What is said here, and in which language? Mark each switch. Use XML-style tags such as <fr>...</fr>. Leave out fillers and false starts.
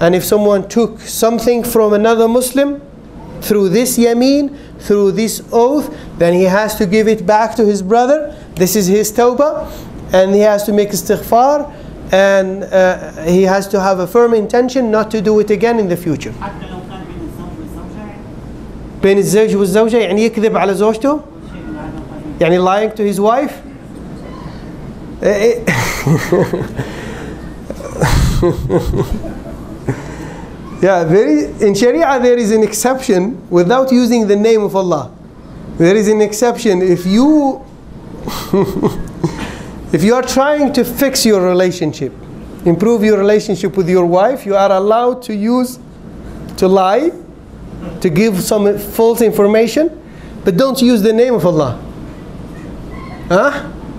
<en>And if someone took something from another Muslim through this yameen, through this oath, then he has to give it back to his brother. This is his tawbah and he has to make istighfar. And he has to have a firm intention not to do it again in the future.</en> <ar>بين الزوج والزوجة يعني يكذب على زوجته يعني</ar> <en>lying to his wife. Yeah, there is, in Sharia there is an exception without using the name of Allah. There is an exception if you if you are trying to fix your relationship, improve your relationship with your wife, you are allowed to use, to lie, to give some false information, but don't use the name of Allah. Huh?</en>